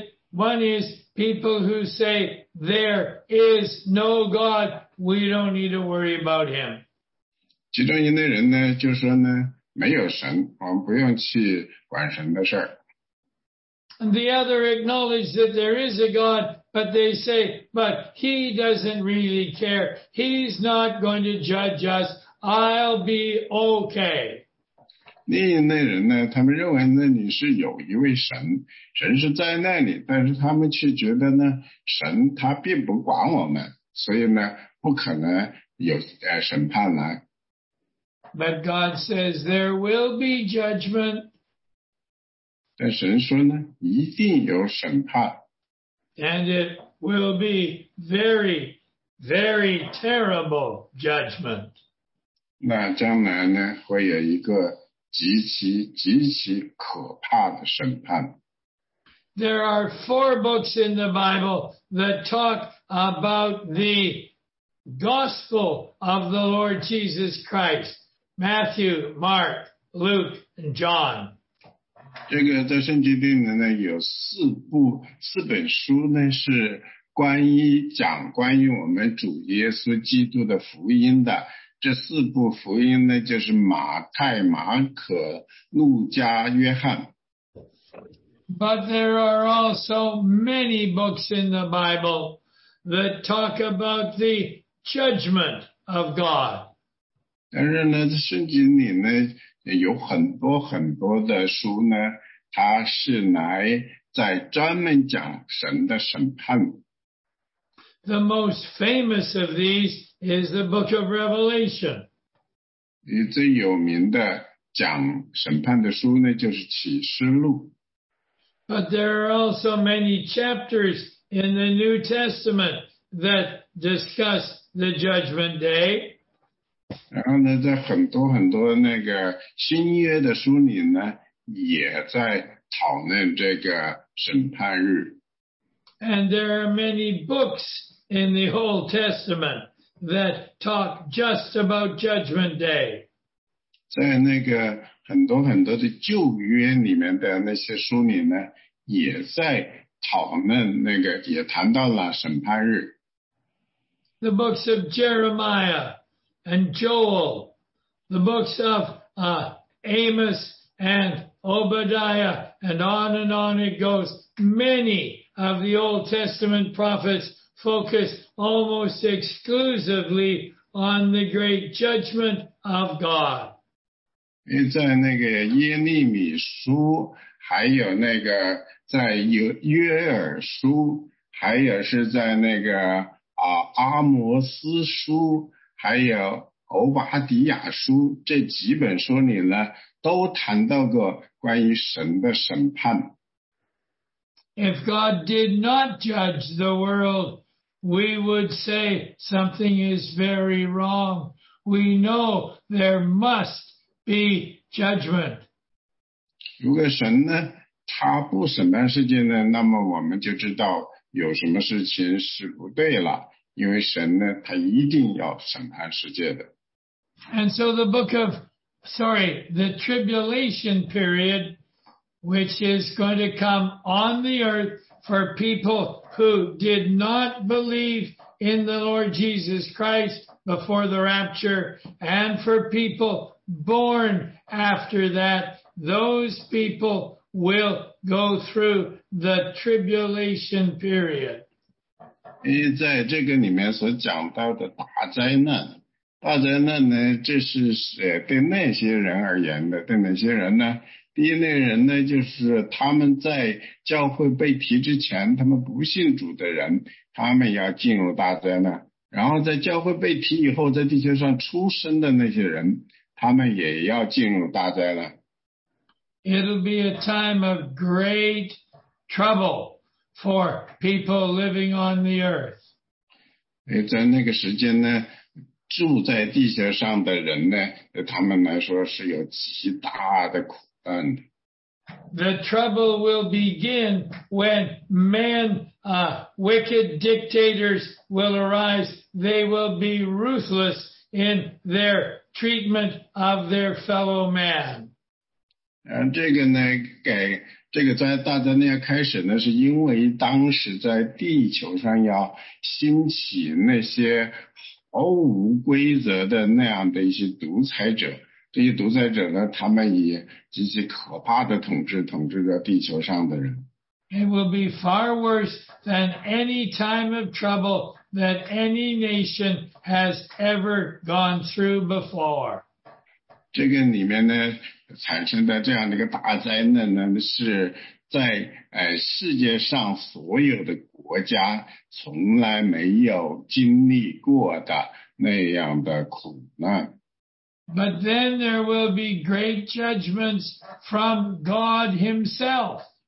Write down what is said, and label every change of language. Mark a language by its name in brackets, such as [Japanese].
[English] One is people who say, there is no God, we don't need to worry about him. [Chinese] 其中一类人呢，就说呢，没有神，我们不用去管神的事儿。 [English] And the other acknowledge that there is a God, but they say, but he doesn't really care. He's not going to judge us. I'll be okay. [Chinese] 另一类人呢，他们认为那里是有一位神，神是在那里，但是他们却觉得呢，神他并不管我们，所以呢，不可能有审判来。 [English] But God says there will be judgment. [Chinese] 但神说呢，一定有审判。 [English] And it will be very, very terrible judgment. [Chinese] 那将来呢，会有一个极其极其可怕的审判。 [English] There are four books in the Bible that talk about the gospel of the Lord Jesus Christ. Matthew, Mark, Luke, and John. [Chinese] 这个在圣经里面呢，有四本书呢，是讲关于我们主耶稣基督的福音的。这四部福音呢，就是马太、马可、路加、约翰。 [English] But there are also many books in the Bible that talk about the judgment of God. [Chinese] 但是呢，在圣经里呢，有很多很多的书呢，它是来在专门讲神的审判。 [English] The most famous of these is the Book of Revelation. [Chinese] 最有名的讲审判的书呢，就是启示录。 [English] But there are also many chapters in the New Testament that discuss the Judgment Day. [Chinese] 然后呢，在很多很多那个新约的书里呢，也在讨论这个审判日。 [English] And there are many books in the Old Testament that talk just about Judgment Day. [Chinese] 在那个很多很多的旧约里面的那些书里呢，也在讨论那个，也谈到了审判日。 [English] The books of Jeremiah. And Joel, the books of Amos and Obadiah, and on it goes. Many of the Old Testament prophets focus almost exclusively on the great judgment of God. [Chinese] 在那个耶利米书，还有那个在约珥书，还有是在那个阿摩斯书。还有欧巴迪亚书这几本书里呢，都谈到过关于神的审判。 [English] If God did not judge the world, we would say something is very wrong. We know there must be judgment. [Chinese] 如果神呢，他不审判世界呢，那么我们就知道有什么事情是不对了。因为神呢，他一定要审判世界的。 [English] And so the tribulation period, which is going to come on the earth for people who did not believe in the Lord Jesus Christ before the rapture, and for people born after that, those people will go through the tribulation period. [Chinese] 因为在这个里面所讲到的大灾难呢，这是对那些人而言的，对哪些人呢？第一类人呢，就是他们在教会被提之前，他们不信主的人，他们要进入大灾难。然后在教会被提以后，在地球上出生的那些人，他们也要进入大灾难。 [English] It'll be a time of great trouble for people living on the earth. [Chinese] 在那个时间呢，住在地球上的人呢，他们来说是有极大的苦难的。 [English] The trouble will begin when men, wicked dictators will arise. They will be ruthless in their treatment of their fellow man. [Chinese] 这个呢，给这个在大灾难开始呢，是因为当时在地球上要兴起那些毫无规则的那样的一些独裁者。这些独裁者呢，他们以极其可怕的统治统治着地球上的人。 [English] It will be far worse than any time of trouble that any nation has ever gone through before. [Chinese] 这个里面呢，产生的这样的一个大灾难呢，是在世界上所有的国家从来没有经历过的那样的苦难。 [English] But then there will be great judgments from God himself.